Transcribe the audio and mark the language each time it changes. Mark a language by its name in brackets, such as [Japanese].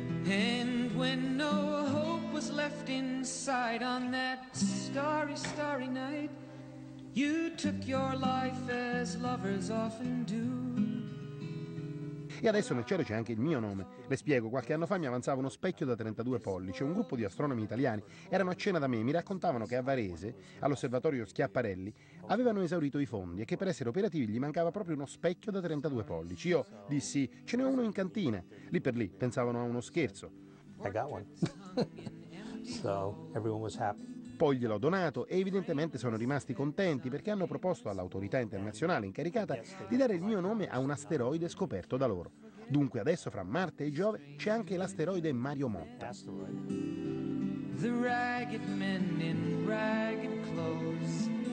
[English] And when no hope was left in sight on that starry, starry night, you took your life as lovers often do. [Italian] E adesso nel cielo c'è anche il mio nome. Le spiego, qualche anno fa mi avanzava uno specchio da 32 pollici. Un gruppo di astronomi italiani erano a cena da me e mi raccontavano che a Varese, all'osservatorio Schiaparelli, avevano esaurito i fondi e che per essere operativi gli mancava proprio uno specchio da 32 pollici. Io dissi, ce n'è uno in cantina. Lì per lì, pensavano a uno scherzo. [English] I got one. So, everyone was happy. [Italian] Poi gliel'ho donato e evidentemente sono rimasti contenti perché hanno proposto all'autorità internazionale incaricata di dare il mio nome a un asteroide scoperto da loro. Dunque adesso fra Marte e Giove c'è anche l'asteroide Mario Motta. [English] The ragged men in ragged clothes.